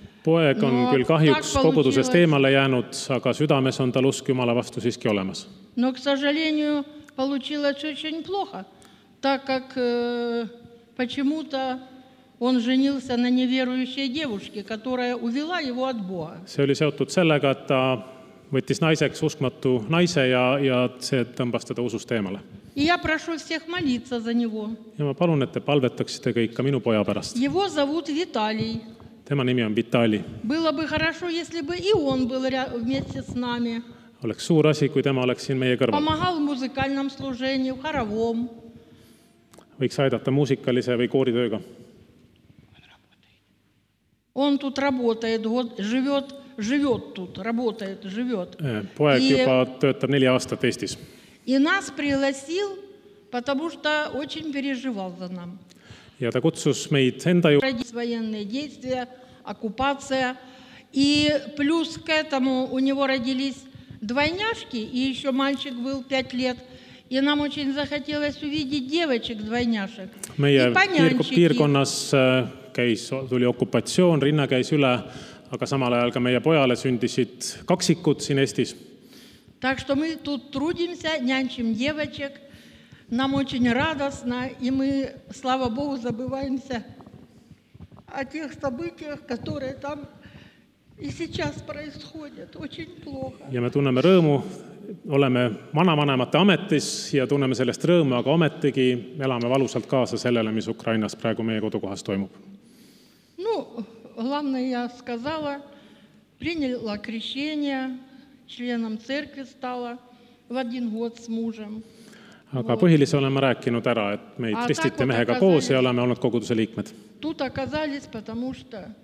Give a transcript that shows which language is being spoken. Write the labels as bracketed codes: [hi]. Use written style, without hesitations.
[et] Poeg on küll kahjuks kogudusest eemale jäänud, aga südames on tal usk Jumala vastu siiski olemas. [ru] Но, к сожалению, получилось очень плохо, так как почему-то он женился на неверующей девушке, которая увела его от Бога. [et] See oli seotud sellega, et ta võttis naiseks uskmatu naise ja see tõmbas teda usust eemale. [ru] И я прошу всех молиться за него. [et] Ja ma palun, et te palvetaksite kõik ka minu poja pärast. [ru] Его зовут Виталий. [et] Tema nimi on Vitali. [ru] Было бы хорошо, если бы и он был вместе с нами. [et] Oleks suur asi, kui tema oleks siin meie kõrval. [ru] Помогал в музыкальном служении, в хоровом. [et] Võiks aidata muusikalise või kooritööga. [ru] Он тут работает, живет тут, работает, живет. [et] Poeg juba töötab 4 aastat Eestis. [ru] И нас пригласил, потому что очень переживал за нам. [et] Ja ta kutsus meid enda juurde. [ru] Военные действия, оккупация. И плюс к этому у него родились двойняшки, и еще мальчик был 5 лет. И нам очень захотелось увидеть девочек-двойняшек. [et] Meie piirkonnas tuli okkupatsioon, rinna käis üle, aga samal ajal ka meie pojale sündisid kaksikud siin Eestis. [ru] Так что мы тут трудимся, нянчим девочек. Нам очень радостно, и мы, слава Богу, забываемся о тех событиях, которые там и сейчас происходят. Очень плохо. [et] Ja me tunneme rõõmu, oleme vanavanemate ametis ja tunneme sellest rõõmu, aga ometigi elame valusalt kaasa sellele, mis Ukrainas praegu meie kodukohas toimub. [ru] Ну, главное, я сказала, приняла крещение, членом церкви стала в 1 год с мужем. [et] Aga põhilise oleme rääkinud ära, et meid ristiti mehega koos ja oleme olnud koguduse liikmed. [ru] Тут оказались, потому что.